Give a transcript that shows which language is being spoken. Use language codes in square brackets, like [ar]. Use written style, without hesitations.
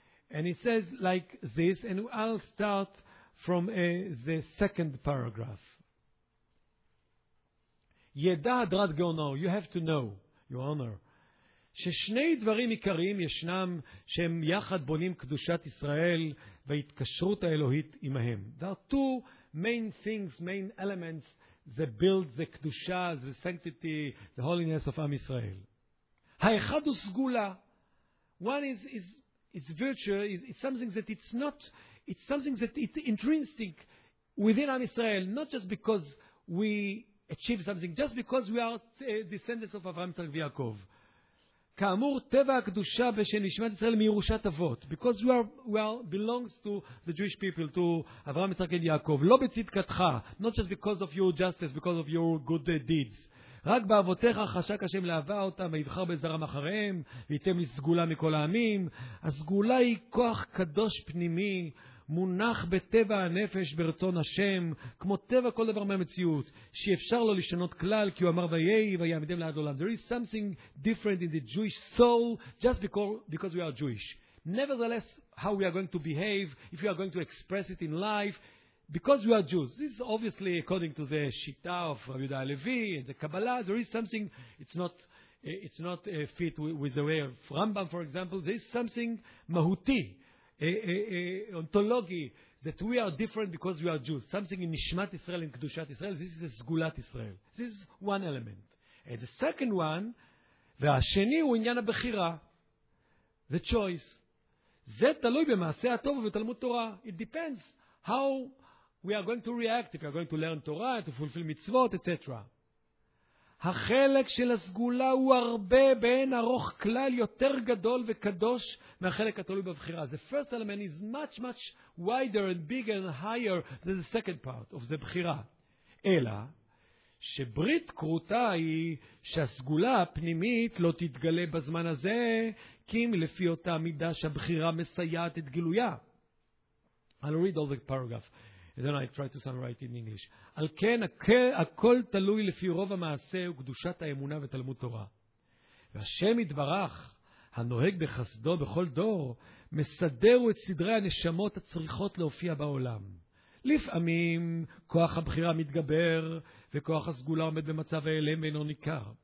[en] And he says like this, and I'll start from the second paragraph. [he] Yedah Drat Gono, [en] you have to know, Your Honor, [he] ששני דברים עיקריים ישנם שהם יחד בונים קדושת ישראל והתקשרות האלוהית עמהם. [en] There are two main things, main elements that build the קדושה, the sanctity, the holiness of עם ישראל. [he] האחד הוא סגולה. [en] One is virtue, is something that it's not, it's something that it's intrinsic within עם ישראל, not just because we achieve something, just because we are descendants of Avraham, Yitzchak ויעקב. [he] כאמור, טבע הקדושה בשנשמת ישראל מירושת אבות, [en] because we are belongs to the Jewish people, to Avraham, Yitzchak ויעקב, [he] לא בצדקתך, [en] not just because of your justice, because of your good deeds. [he] רק באבותיך חשק השם לאהבה אותם, ויבחר בזרם אחריהם, ויתם לסגולה מכל העמים. הסגולה היא כוח קדוש פנימי, מונח בטבע הנפש ברצון השם, כמו טבע כל דבר מהמציאות, שאפשר לו לשנות כלל, כי הוא אמר ויהי ויעמידם לעד עולם. [en] There is something different in the Jewish soul, just because we are Jewish. Nevertheless, how we are going to behave, if we are going to express it in life, because we are Jews. This is obviously according to the Shita of Rabbi Yehuda Halevi and the Kabbalah, there is something, it's not a fit with the way of Rambam, for example. There is something mahuti, ontology, that we are different because we are Jews. Something in Nishmat Israel, in Kedushat Israel, this is a Sgulat Israel. This is one element. And the second one, [he] והשני הוא עניין הבחירה, [en] the choice. [he] זה תלוי במעשה הטוב ובתלמוד תורה. [en] It depends how we are going to react, if we are going to learn Torah, to fulfill mitzvot, etc. [he] החלק של הסגולה הוא הרבה בין ארוך כלל יותר גדול וקדוש מהחלק התלוי בבחירה. [en] The first element is much, much wider and bigger and higher than the second part of the בחירה. [he] אלא שברית קרותה היא שהסגולה הפנימית לא תתגלה בזמן הזה, כי אם לפי אותה מידה שהבחירה מסייעת את גילויה. [en] I'll read all the paragraph. And then I try to summarize it in English. [he] על כן, הכל תלוי לפי רוב המעשה וקדושת האמונה ותלמוד תורה. והשם יתברך, הנוהג בחסדו בכל דור, מסדרו את סדרי הנשמות הצריכות להופיע בעולם. לפעמים, כוח הבחירה מתגבר, וכוח הסגולה עומד במצב האלם ואינו ניכר.